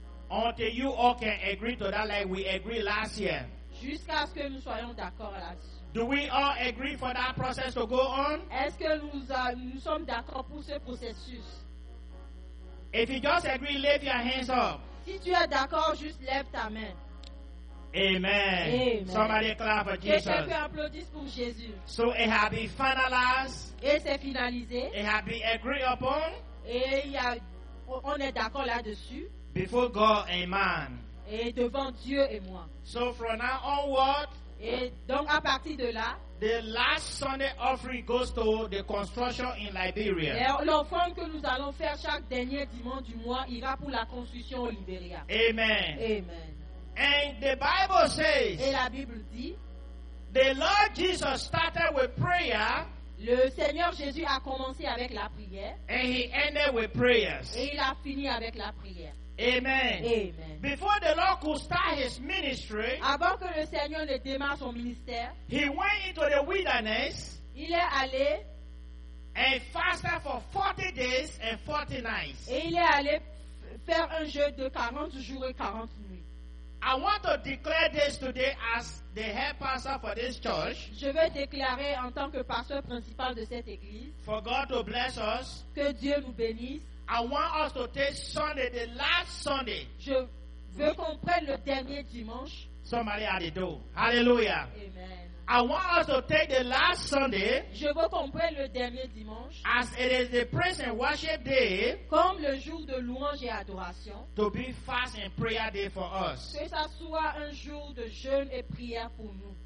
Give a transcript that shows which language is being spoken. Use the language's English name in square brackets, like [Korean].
[English] Until you all can agree to that, like we agreed last year. [French] Jusqu'à ce que nous soyons d'accord là-dessus. [English] Do we all agree for that process to go on? [French] Est-ce que nous sommes d'accord pour ce processus? [English] If you just agree, lift your hands up. [French] Si tu es d'accord, juste lève ta main. [English] Amen. [French] Amen. [English] Somebody clap for Jesus. [French] Quelqu'un applaudisse pour Jésus. [English] So it has been finalized. [French] Et c'est finalisé. [English] It has been agreed upon. [French] Et on est d'accord là-dessus. [English] Before God and man. [French] Et devant Dieu et moi. [English] So from now onward. [French] Et donc à partir de là. [English] The last Sunday offering goes to the construction in Liberia. [French] L'offrande que nous allons faire chaque dernier dimanche du mois ira pour la construction au Liberia. [English] Amen. [French] Amen. [English] And the Bible says, [French] et la Bible dit, [English] the Lord Jesus started with prayer. [French] Le Seigneur Jésus a commencé avec la prière. [English] And he ended with prayers. [French] Et il a fini avec la prière. [English] Amen. [French] Amen. [English] Before the Lord could start his ministry, [French] avant que le Seigneur ne démarre son ministère, [English] he went into the wilderness. [French] Il est allé [English] and fasted for 40 days and 40 nights. [French] Et il est allé faire un jeûne de 40 jours et 40 nuits. [English] I want to declare this today as the head pastor for this church. [French] Je veux déclarer en tant que pasteur principal de cette église. [English] For God to bless us. [French] Que Dieu nous bénisse. [English] I want us to take Sunday, the last Sunday. [French] Je veux qu'on prenne le dernier dimanche. [English] Somebody at the door. Hallelujah. [French] Amen. [English] I want us to take the last Sunday. [French] Je veux qu'on prenne le dernier dimanche. [English] As it is the praise and worship day. [French] Comme le jour de louange et adoration. [English] To be fast and prayer day for us. [French] Que ça soit un jour de jeûne et prière pour nous.